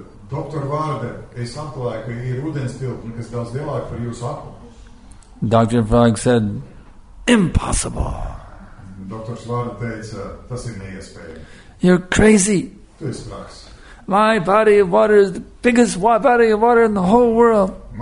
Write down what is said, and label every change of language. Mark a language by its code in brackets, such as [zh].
[lv] Doctor Svarde, es atklāju, ka ir ūdens tilpni, kas daudz lielāk par jūsu aku. [en] Doctor Frog said, impossible. [lv] Doctor Svarde teica, tas ir neiespējami. [en] You're crazy. [lv] Tu esi praks. [en] My body of water is the biggest body of water in the whole world.